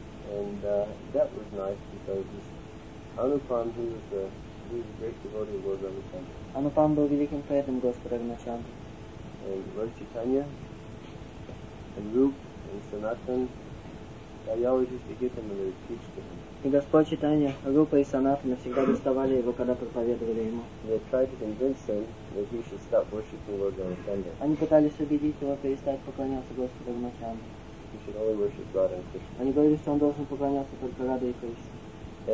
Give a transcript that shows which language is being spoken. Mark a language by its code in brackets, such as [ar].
[en] And that was nice because Anupam, he was a great devotee of Lord Ramachandra. [ru] Anupam был великим преданным Господа Ramachandra. [en] And Lord Chaitanya, and Rup, and Sanatan, they always used to get him and they would teach to him. [ru] И Господь Чайтанья, Рупа и Санатана всегда доставали его, когда проповедовали ему. [en] They tried to convince him that he should stop worshiping Lord Ramachandra. [ru] Они пытались убедить его перестать поклоняться Господу Ramachandra. [en] He should only worship God and Krishna. [ru] Они говорили, что он должен поклоняться только Раде и Кришне.